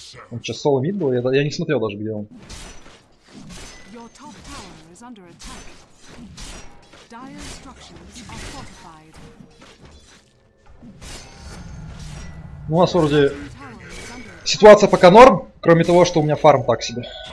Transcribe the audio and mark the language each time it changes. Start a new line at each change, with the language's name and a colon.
Russian: Он сейчас соло мид был, я не смотрел даже, где он.
English: Your top tower is under attack. Dire structures are fortified.
Russian: Ну, у нас вроде ситуация пока норм, кроме того, что у меня фарм так себе.